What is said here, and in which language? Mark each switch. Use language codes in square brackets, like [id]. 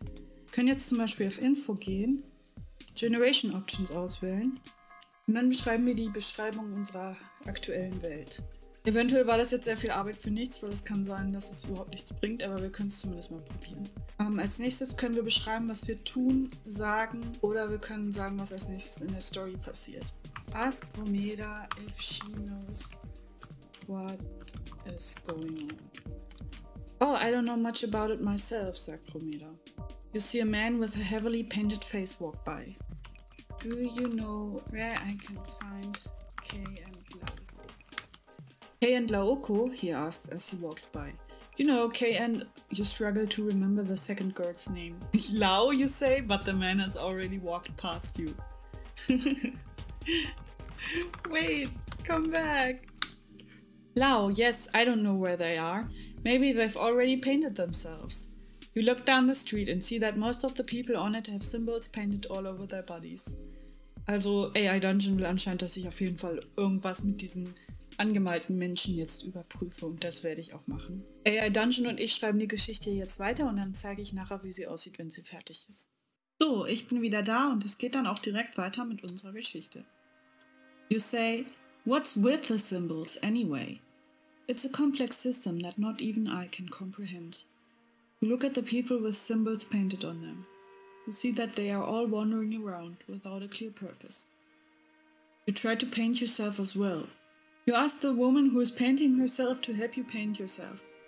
[de] Wir können jetzt zum Beispiel auf Info gehen, Generation Options auswählen und dann beschreiben wir die Beschreibung unserer aktuellen Welt. Eventuell war das jetzt sehr viel Arbeit für nichts, weil es kann sein, dass es überhaupt nichts bringt, aber wir können es zumindest mal probieren. Als nächstes können wir beschreiben, was wir tun, sagen oder wir können sagen, was als nächstes in der Story passiert. [en] Ask Omeda if she knows what is going on. Oh, I don't know much about it myself, [de] sagt Omeda. [en] You see a man with a heavily painted face walk by. Do you know where I can find Kay and Glauco? Kay and Glauco, he asks as he walks by. You know, Kay and you struggle to remember the second girl's name. Lau, you say, but the man has already walked past you. Wait, come back. Lau, yes, I don't know where they are. Maybe they've already painted themselves. You look down the street and see that most of the people on it have symbols painted all over their bodies. [de] Also, AI Dungeon will anscheinend, dass ich auf jeden Fall irgendwas mit diesen angemalten Menschen jetzt überprüfe und das werde ich auch machen. AI Dungeon und ich schreiben die Geschichte jetzt weiter und dann zeige ich nachher, wie sie aussieht, wenn sie fertig ist. So, ich bin wieder da und es geht dann auch direkt weiter mit unserer Geschichte. [en] You say, what's with the symbols anyway? It's a complex system that not even I can comprehend. You look at the people with symbols painted on them. You see that they are all wandering around without a clear purpose. You try to paint yourself as well. You ask the woman who is painting herself to help you paint yourself.